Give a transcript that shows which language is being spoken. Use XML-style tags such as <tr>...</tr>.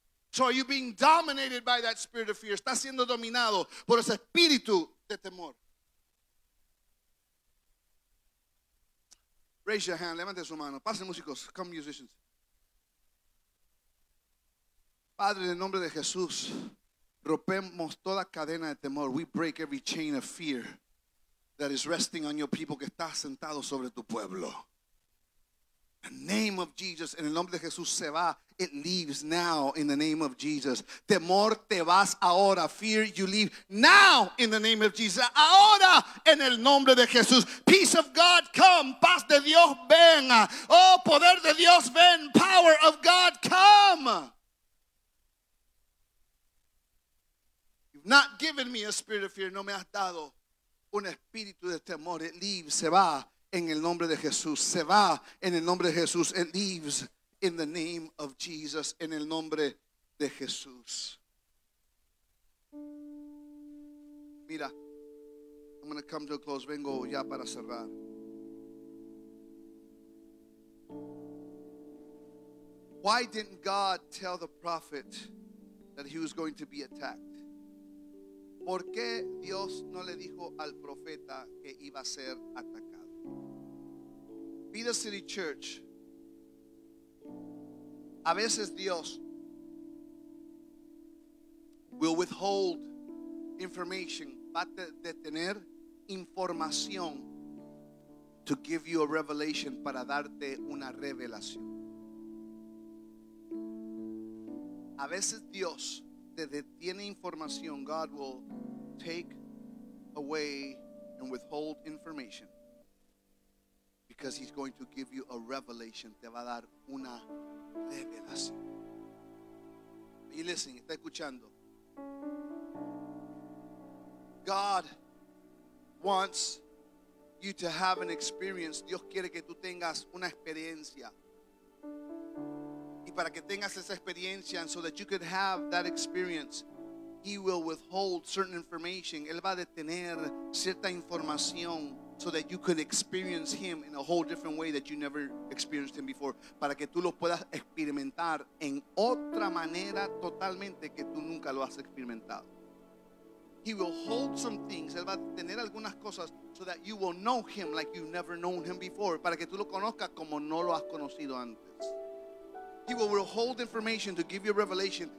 <en>So are you being dominated by that spirit of fear?</en> <es>¿Estás siendo dominado por ese espíritu de temor?</es> <en>Raise your hand,</en> <es>levante su mano. Pasen músicos,</es> <en>come musicians.</en> <es>Padre, en el nombre de Jesús, rompemos toda cadena de temor.</es> <en>We break every chain of fear that is resting on your people,</en> <es>que está sentado sobre tu pueblo.</es> <en>In the name of Jesus,</en> <es>en el nombre de Jesús, se va.</es> <en>It leaves now in the name of Jesus.</en> <es>Temor, te vas ahora.</es> <en>Fear, you leave now in the name of Jesus.</en> <es>Ahora en el nombre de Jesús.</es> <en>Peace of God, come.</en> <es>Paz de Dios, ven. Oh, poder de Dios, ven.</es> <en>Power of God, come. You've not given me a spirit of fear.</en> <es>No me has dado un espíritu de temor.</es> <en>It leaves,</en> <es>se va en el nombre de Jesús. Se va en el nombre de Jesús.</es> <en>It leaves. In the name of Jesus,</en> <es>en el nombre de Jesús. Mira,</es> <en>I'm going to come to a close.</en> <es>Vengo ya para cerrar.</es> <en>Why didn't God tell the prophet that he was going to be attacked?</en> <es>¿Por qué Dios no le dijo al profeta que iba a ser atacado? Vida City Church, a veces Dios</es> <en>will withhold information,</en> <es>va a detener información</es> <en>to give you a revelation,</en> <es>para darte una revelación. A veces Dios te detiene información.</es> <en>God will take away and withhold information because he's going to give you a revelation.</en> <es>Te va a dar una revelación.</es> <en>Are you listening?</en> <es>¿Está escuchando?</es> <en>God wants you to have an experience.</en> <es>Dios quiere que tú tengas una experiencia. Para que tengas esa experiencia,</es> <en>and so that you could have that experience, he will withhold certain information.</en> <es>Él va a detener cierta información</es> <en>so that you could experience him in a whole different way that you never experienced him before.</en> <es>Para que tú lo puedas experimentar en otra manera totalmente que tú nunca lo has experimentado.</es> <en>He will hold some things.</en> <es>Él va a detener algunas cosas</es> <en>so that you will know him like you've never known him before.</en> <es>Para que tú lo conozcas como no lo has conocido antes.</es> <en>He will withhold information to give you a revelation.</en>